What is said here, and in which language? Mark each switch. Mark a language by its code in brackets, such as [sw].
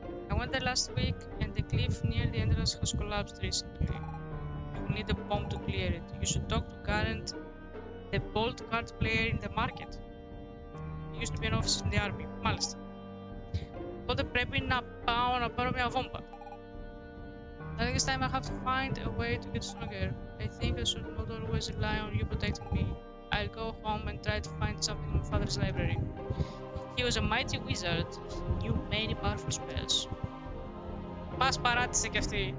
[en] I went there last week, and the cliff near the entrance has collapsed recently. You will need a bomb to clear it. You should talk to Garant, the bold card player in the market. He used to be an officer in the army. [el] Μάλιστα. Οπότε πρέπει να πάω να πάρω μια βόμπα. [en] I think it's time I have to find a way to get stronger. I think I should not always rely on you protecting me. I'll go home and try to find something in my father's library. He was a mighty wizard. He knew many powerful spells. Μας παράτησε κι αυτή.